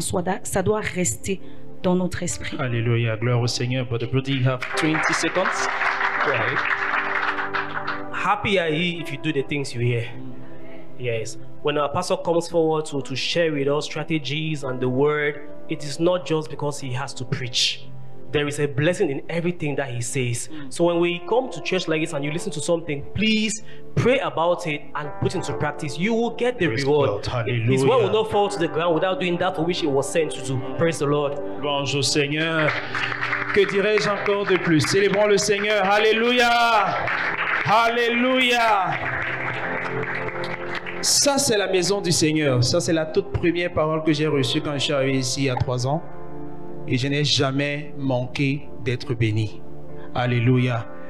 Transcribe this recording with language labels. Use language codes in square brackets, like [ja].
[fr] Ça doit rester dans notre esprit. Alléluia. Gloire au Seigneur. [en] But the brother, you have 20 seconds. Happy are you if you do the things you hear. Yes. when our pastor comes forward to share with us strategies and the word, it is not just because he has to preach. There is a blessing in everything that he says. So when we come to church like this and you listen to something, please pray about it and put it into practice. You will get the reward. His word will not fall to the ground without doing that for which it was sent to do. Praise the Lord. [fr] Bonjour Seigneur. Que dirais-je encore de plus? Célébrons le Seigneur. Alléluia. Alléluia. Ça, c'est la maison du Seigneur. Ça, c'est la toute première parole que j'ai reçue quand je suis arrivé ici il y a 3 ans. Et je n'ai jamais manqué d'être béni. Alléluia.